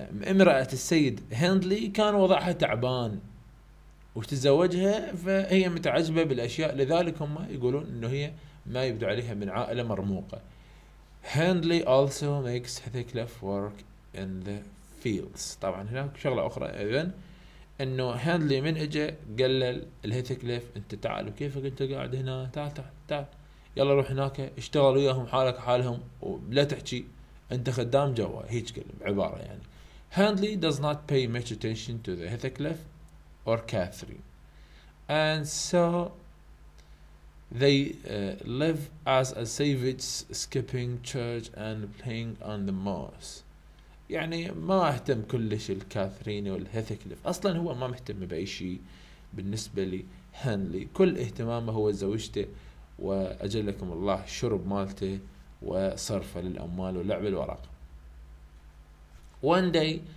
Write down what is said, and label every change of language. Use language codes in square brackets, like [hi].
[ar] امرأة السيد هندلي كان وضعها تعبان وتزوجها، فهي متعجبة بالأشياء، لذلك هم يقولون إنه هي ما يبدو عليها من عائلة مرموقة. [en] Hindley also makes Heathcliff work in the fields. [ar] طبعا هناك شغلة أخرى أيضا، إنه هندلي من إجا قلل الهيثكليف أنت تعال، وكيف أنت قاعد هنا؟ تعال تعال تعال، يلا روح هناك اشتغل وياهم حالك حالهم، ولا تحكي انت خدام جوا، هيك كلمة عبارة يعني. [en] Hindley does not pay much attention to the Heathcliff or Catherine and so they live as a savage skipping church and playing on the moss. [ar] يعني ما اهتم كلش الكاثرين والهيثكليف، اصلا هو ما مهتم باي شيء بالنسبة لهندلي، كل اهتمامه هو زوجته وأجلكم الله شرب مالته وصرفه للأموال ولعب الورق. [en] One day